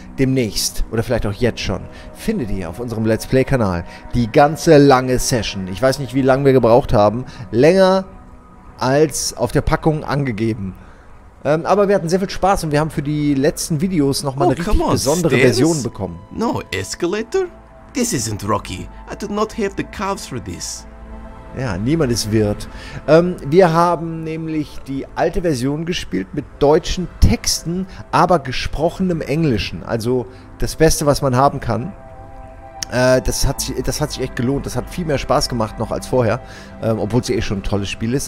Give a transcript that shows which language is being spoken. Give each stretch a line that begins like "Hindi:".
German: Demnächst oder vielleicht auch jetzt schon. Findet ihr auf unserem Let's Play-Kanal die ganze lange Session. Ich weiß nicht, wie lange wir gebraucht haben. Länger als auf der Packung angegeben. Aber wir hatten sehr viel Spaß und wir haben für die letzten Videos nochmal eine richtig besondere Version bekommen.
English: No, Escalator? This isn't Rocky. I do not have the calves for this.
German: Ja, niemand ist Wirt. Wir haben nämlich die alte Version gespielt mit deutschen Texten, aber gesprochenem Englischen. Also das Beste, was man haben kann. Das hat sich echt gelohnt. Das hat viel mehr Spaß gemacht noch als vorher. Obwohl es ja eh schon ein tolles Spiel ist.